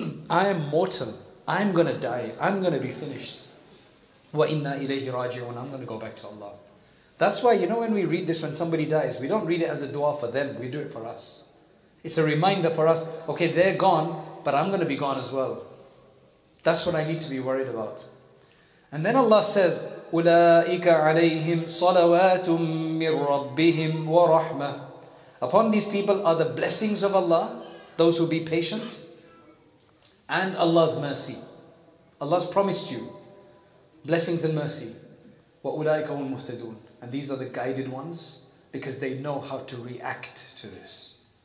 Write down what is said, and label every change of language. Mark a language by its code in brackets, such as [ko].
[en] I am mortal. I'm going to die. I'm going to be finished. [ar] وَإِنَّا إِلَيْهِ رَاجِعُونَ. [en] I'm going to go back to Allah. That's why, you know, when we read this, when somebody dies, we don't read it as a dua for them. We do it for us. It's a reminder for us. Okay, they're gone, but I'm going to be gone as well. That's what I need to be worried about. And then Allah says, [ar] أُولَٰئِكَ عَلَيْهِمْ صَلَوَاتٌ مِّن رَبِّهِمْ وَرَحْمَةٌ. [en] Upon these people are the blessings of Allah, those who be patient, and Allah's mercy. Allah's promised you blessings and mercy. [ar] وَأُولَٰئِكَ هُمُ الْمُهْتَدُونَ. [en] And these are the guided ones because they know how to react to this.